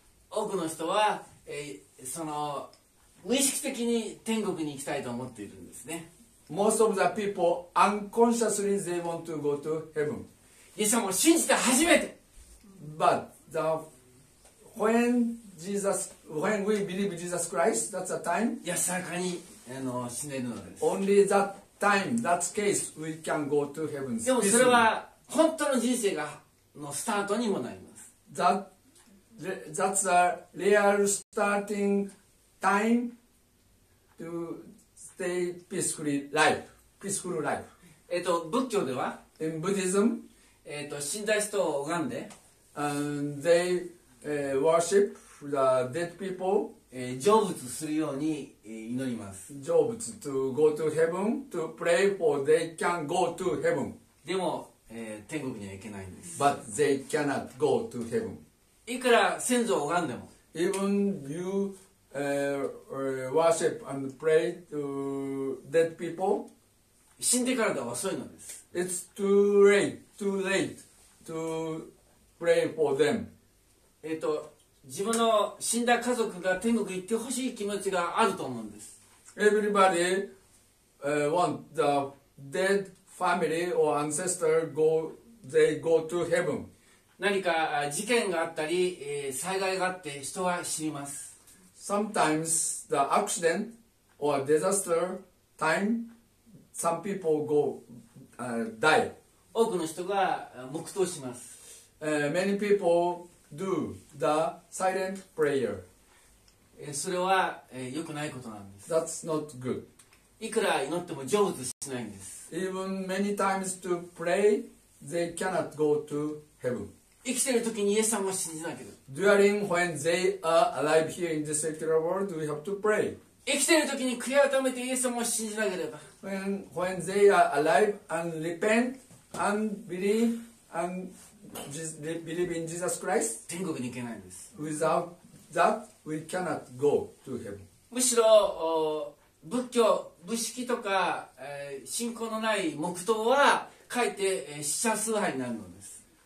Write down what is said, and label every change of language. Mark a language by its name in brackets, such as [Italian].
[Japanese] 多くの人は、その無意識的に天国に行きたいと思っているんですね。 [English] Most of the people unconsciously they want to go to heaven. [Japanese] イエス様を信じて初めて。 [English] But the when Jesus when we believe Jesus Christ, that's the time. [Japanese] 安らかに死ねるのです。 [English] Only that time, that case, we can go to heaven. [Japanese] でもそれは本当の人生がのスタートにもなります。 [English] That's a real starting. Time to stay peacefully life, peaceful life. [Japanese] 仏教では、 [English] in Buddhism, [Japanese] 死んだ人を拝んで、 [English] and they worship the dead people, [Japanese] 成仏するように祈ります。 [English] 成仏 to go to heaven, to pray for they can go to heaven. [Japanese] でも、天国には行けないんです。 [English] But they cannot go to heaven. [Japanese] いくら先祖を拝んでも、 [English] even youworship and pray to dead people. [Japanese] 死んでからでは遅いのです。 [English] It's too late to pray for them. [Japanese] 自分の死んだ家族が天国行ってほしい気持ちがあると思うんです。 [English] Everybody want the dead family or ancestor go, they go to heaven. [Japanese] 何か事件があったり、災害があって人は死にます。 [English] Sometimes the accident or disaster time, some people go, die. [Japanese] 多くの人が黙祷します。 [English] Many people do the silent prayer. [Japanese] それは良くないことなんです。 [English] That's not good. [Japanese] いくら祈っても成就しないんです。 [English] Even many times to pray, they cannot go to heaven. [Japanese] 生きている時にイエス様を信じなければ。 [English] During when they are alive here in this secular world, we have to pray. [Japanese] 生きている時に悔い改めてイエス様を信じなければ。 [English] When they are alive and repent and believe and believe in Jesus Christ, [Japanese] 天国に行けないんです。 [English] Without that, we cannot go to heaven. [Japanese] むしろ仏教、仏式とか信仰のない黙祷はかえって死者崇拝になるのです。